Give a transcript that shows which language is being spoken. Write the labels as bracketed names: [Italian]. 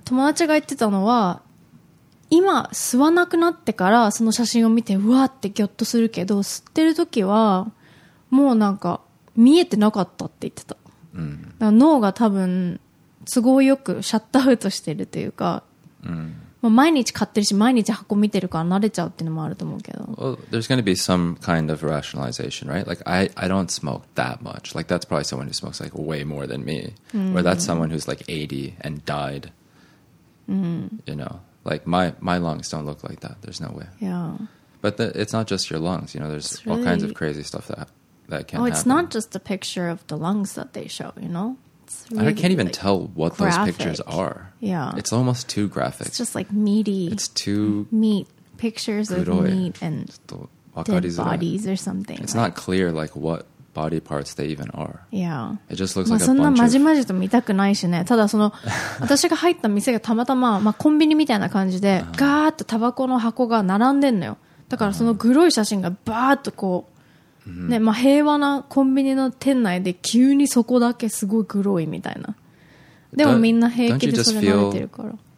[Japanese] 友達が言ってたのは今吸わなくなってからその写真を見てうわってギョッとするけど吸ってる時はもうなんか見えてなかったって言ってた、 mm. だから脳が多分都合よくシャットアウトしてるというか、うん、もう毎日買ってるし毎日箱見てるから慣れちゃうっていうのもあると思うけど [English] Well, there's going to be some kind of rationalization, right? Like, I don't smoke that much. Like, that's probably someone who smokes like way more than me.、うん、 Or that's someone who's like 80 and died.、うん、 you know, like my lungs don't look like that. There's no way. Yeah. But it's not just your lungs. You know, there's really... all kinds of crazy stuff that can happen. Oh, it's not just the picture of the lungs that they show, you know? Really, I can't even like, tell what、graphic. Those pictures are. Yeah. It's almost too graphic. It's just like meaty. It's too... Meat. Pictures of meat and dead bodies or something. It's like, not clear like what body parts they even are. Yeah. It just looks、まあ、like a bunch of... [Japanese] そんなまじまじと見たくないしね。ただその、私が入った店がたまたま、まあ、コンビニみたいな感じで、ガーッとタバコの箱が並んでんのよ。だからそのグロい写真がバーッとこう、 Mm-hmm. ねまあ、平和なコンビニの店内で急にそこだけすごいグロいみたいなでもみんな平気でそれ慣れてるから